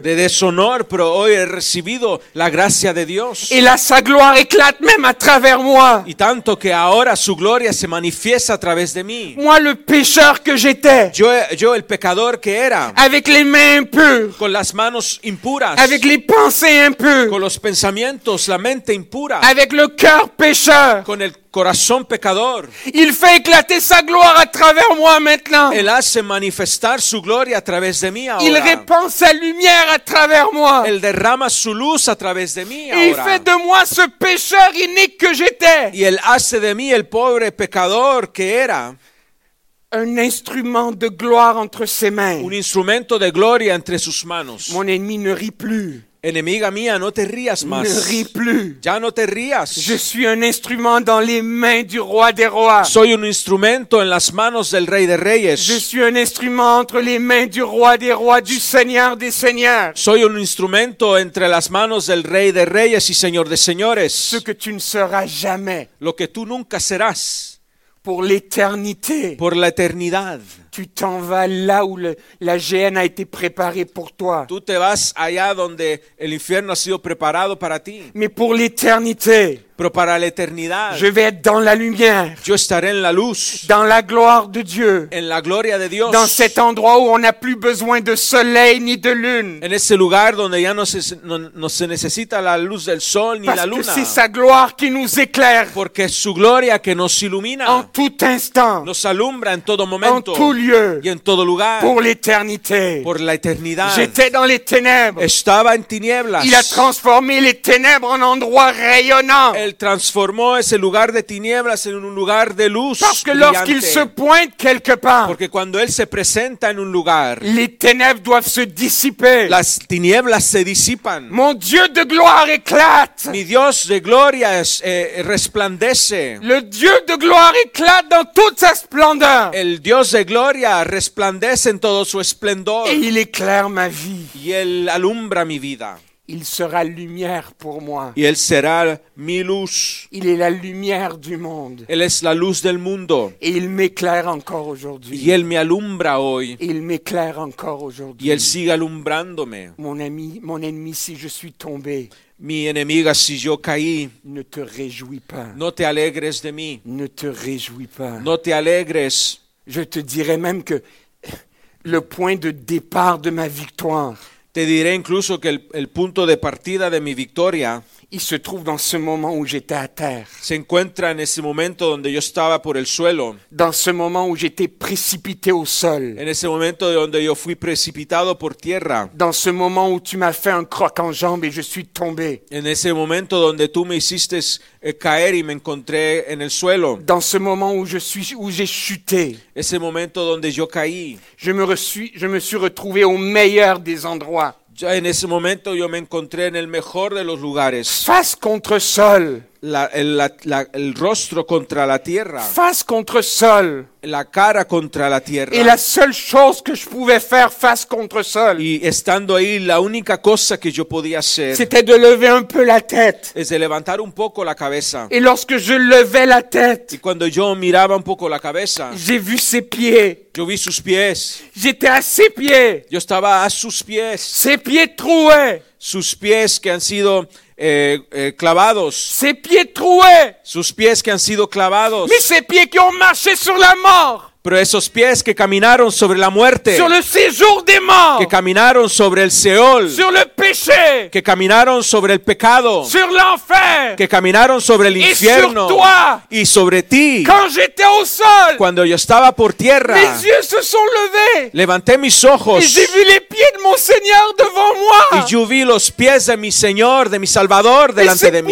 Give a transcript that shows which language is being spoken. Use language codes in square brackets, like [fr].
[es] De deshonor, pero hoy he recibido la gracia de Dios. [fr] Et là sa gloire éclate même à travers moi. [es] Y tanto que ahora su gloria se manifiesta a través de mí. [fr] Moi le pécheur que j'étais. [es] Yo el pecador que era. [fr] Avec les mains impures. [es] Con las manos impuras. [fr] Avec les pensées impures. [es] Con los pensamientos, la mente impura. [fr] Avec le cœur pécheur. [es] Con el corazón pecador. [fr] Il fait éclater sa gloire à travers moi maintenant. [es] Él hace manifestar su gloria a través de mí ahora. [fr] Il répand sa lumière à travers moi. [es] Él derrama su luz a través de mí ahora. [fr] Il fait de moi ce pécheur inique que j'étais. [es] Y él hace de mí el pobre pecador que era. [fr] Un instrument de gloire entre ses mains. [es] Un instrumento de gloria entre sus manos. [fr] Mon ennemi ne rit plus. [es] Enemiga mía, no te rías más. [fr] Ne ris plus. [es] Ya no te rías. [fr] Je suis un instrument dans les mains du roi des rois. [es] Soy un instrumento en las manos del rey de reyes. [fr] Je suis un instrument entre les mains du roi des rois, du seigneur des seigneurs. [es] Soy un instrumento entre las manos del rey de reyes y señor de señores. [fr] Ce que tu ne seras jamais. [es] Lo que tú nunca serás. [fr] Pour l'éternité. [es] Por la eternidad. [fr] Tu t'en vas là où la géhenne a été préparée pour toi. [es] Tú te vas allá donde el infierno ha sido preparado para ti. [fr] Mais pour l'éternité. [es] Pero para la eternidad. [fr] Je vais être dans la lumière. [es] Yo estaré en la luz. [fr] Dans la gloire de Dieu. [es] En la gloria de Dios. [fr] Dans cet endroit où on n'a plus besoin de soleil ni de lune. [es] En ese lugar donde ya no se necesita la luz del sol ni [fr] Parce [es] la luna. [fr] Parce que c'est sa gloire qui nous éclaire. [es] Porque su gloria que nos ilumina. [fr] En tout instant. [es] Nos alumbra en todo momento. [fr] En tout lieu, [es] y en todo lugar, [fr] pour l'éternité. [es] Por la eternidad. [fr] J'étais dans les ténèbres. [es] Estaba en tinieblas. [fr] Il a transformé les ténèbres en endroit rayonnant. [es] Él transformó ese lugar de tinieblas en un lugar de luz. [fr] Parce que lorsqu'il se pointe quelque part, [es] porque cuando él se presenta en un lugar, [fr] les ténèbres doivent se dissiper. [es] Las tinieblas se disipan. [fr] Mon Dieu de gloire éclate. [es] Mi Dios de gloria resplandece. [fr] Le Dieu de gloire éclate dans toute sa splendeur. [es] El Dios de gloria resplandece en todo su esplendor. [fr] Et il éclaire ma vie. [es] Y él alumbra mi vida. [fr] Il sera lumière pour moi. [es] Y él será mi luz. [fr] Il est la lumière du monde. [es] Él es la luz del mundo. [fr] Et il m'éclaire encore aujourd'hui. [es] Y él me alumbra hoy. [fr] Et il m'éclaire encore aujourd'hui. [es] Y él sigue alumbrándome. [fr] Mon ami, mon ennemi, si je suis tombé. [es] Mi enemiga, si yo caí, [fr] ne te réjouis pas. [es] No te alegres de mí. [fr] Ne te réjouis pas. [es] No te alegres. [fr] Je te dirai même que le point de départ de ma victoire. [es] Te diré incluso que el punto de partida de mi victoria. [fr] Il se trouve dans ce moment où j'étais à terre. [es] Se encuentra en ese momento donde yo estaba por el suelo. [fr] Dans ce moment où j'étais précipité au sol. [es] En ese momento donde yo fui precipitado por tierra. [fr] Dans ce moment où tu m'as fait un croc en jambe et je suis tombé. [es] En ese momento donde tú me hiciste caer y me encontré en el suelo. [fr] Dans ce moment où j'ai chuté. [es] Ese momento donde yo caí. [fr] Je me suis retrouvé au meilleur des endroits. [es] Ya en ese momento yo me encontré en el mejor de los lugares. [fr] Face contre sol. [es] El rostro contra la tierra. [fr] Face contre sol. [es] La cara contra la tierra. [fr] Et la seule chose que je pouvais faire face contre sol. [es] Y estando ahí, la única cosa que yo podía hacer. [fr] C'était de lever un peu la tête. [es] Es de levantar un poco la cabeza. [fr] Et lorsque je levais la tête. [es] Y cuando yo miraba un poco la cabeza. [fr] J'ai vu ses pieds. [es] Yo vi sus pies. [fr] J'étais à ses pieds. [es] Yo estaba a sus pies. [fr] Ses pieds troués. [es] Sus pies que han sido clavados. [fr] Ses pieds troués. [es] Sus pies que han sido clavados. [fr] Mais ses pieds qui ont marché sur la mort. [es] Pero esos pies que caminaron sobre la muerte. [fr] Sur le séjour des morts. [es] Que caminaron sobre el Seol. [fr] Sur le péché. [es] Que caminaron sobre el pecado. [fr] Sur l'enfer. [es] Que caminaron sobre el infierno. [fr] Et sur toi. [es] Y sobre ti. [fr] Quand j'étais au sol. [es] Cuando yo estaba por tierra. [fr] Mes yeux se sont levés. [es] Levanté mis ojos. [fr] Et j'ai vu les pieds de mon Seigneur devant moi. [es] Y yo vi los pies de mi Señor, de mi Salvador, delante de mí.